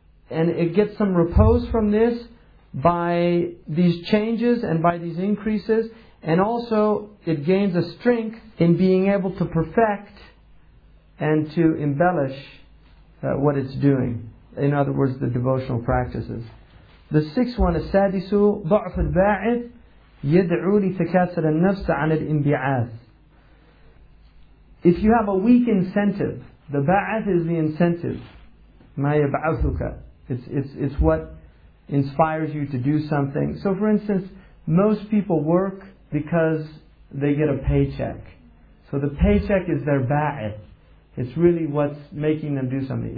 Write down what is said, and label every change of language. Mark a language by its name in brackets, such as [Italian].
[English] And it gets some repose from this by these changes and by these increases. And also it gains a strength in being able to perfect and to embellish what it's doing. In other words, the devotional practices. The sixth one is [Arabic] السادسُ ضَعْفُ الْبَاعِثِ يَدْعُو لِتَكَاسَلَ النَّفْسَ عَنِ الْإِنْبِعَاثِ. [English] If you have a weak incentive, the ba'ath is the incentive. [Arabic] مَا يَبْعَثُكَ. [English] It's what inspires you to do something. So for instance, most people work because they get a paycheck. So the paycheck is their ba'ath. It's really what's making them do something.